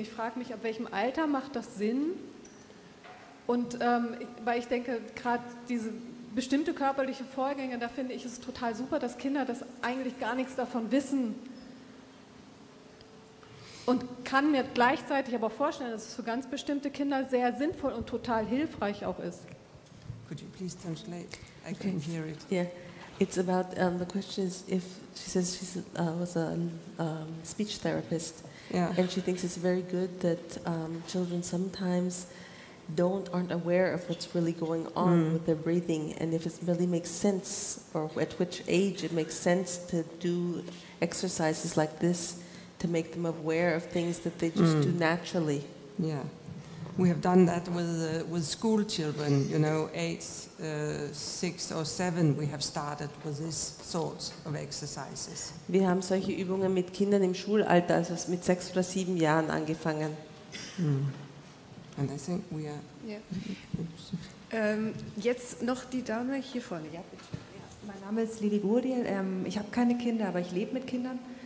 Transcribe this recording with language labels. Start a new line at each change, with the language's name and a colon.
German: Ich frage mich, ab welchem Alter macht das Sinn? Und weil ich denke, gerade diese bestimmte körperliche Vorgänge, da finde ich es total super, dass Kinder das eigentlich gar nichts davon wissen. Und kann mir gleichzeitig aber vorstellen, dass es für ganz bestimmte Kinder sehr sinnvoll und total hilfreich auch ist.
English: Could you please translate? I can hear it. Yeah, it's about the question is if she says she was a speech therapist, yeah, and she thinks it's very good that children sometimes aren't aware of what's really going on with their breathing, and if it really makes sense, or at which age it makes sense to do exercises like this, to make them aware of things that they just do naturally. Yeah, we have done that with school children, you know, 8, 6 or 7, we have started with these sorts of exercises.
German: Wir haben solche Übungen mit Kindern im Schulalter, also mit 6 oder 7 Jahren angefangen.
English: And I think we are... Yeah.
German: Jetzt noch die Dame hier vorne. Ja, bitte. Mein Name ist Lili Gurdiel, ich habe keine Kinder, aber ich lebe mit Kindern.